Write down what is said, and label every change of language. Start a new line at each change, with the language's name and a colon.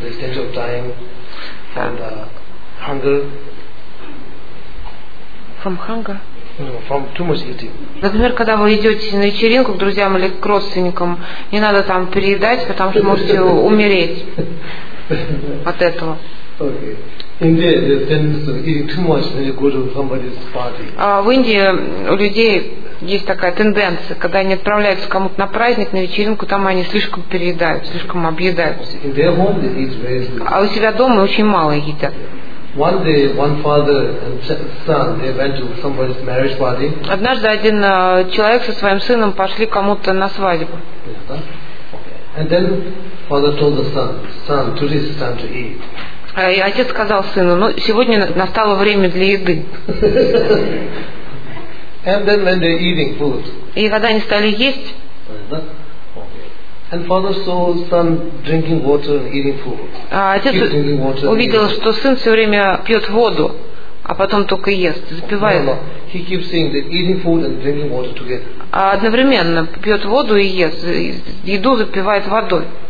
English: There's danger of dying from hunger. From hunger? No, from too much eating.
Russian: Например, когда вы идете на вечеринку к друзьям или к родственникам, не надо там переедать, потому что можете умереть от этого.
English: Okay. Indeed, eating too much when you go to somebody's party.
Russian: В Индии у людей есть такая тенденция, когда они отправляются кому-то на праздник, на вечеринку, там они слишком переедают, слишком объедаются.
English: In their home they eat very little.
Russian: А у себя дома очень мало едят.
English: One day, one father and son they went to somebody's marriage party.
Russian: Однажды один человек со своим сыном пошли кому-то на свадьбу.
English: And then father told the son, son, today is time to eat.
Russian: И отец сказал сыну, ну, сегодня настало время для еды.
English: And then when they're eating food.
Russian: И когда они стали есть,
English: and father saw son drinking water and eating food.
Russian: А отец увидел, что сын все время пьет воду, а потом только ест, запивает.
English: No, he keeps seeing that eating food and drinking water together.
Russian: А одновременно пьет воду и ест, еду запивает водой.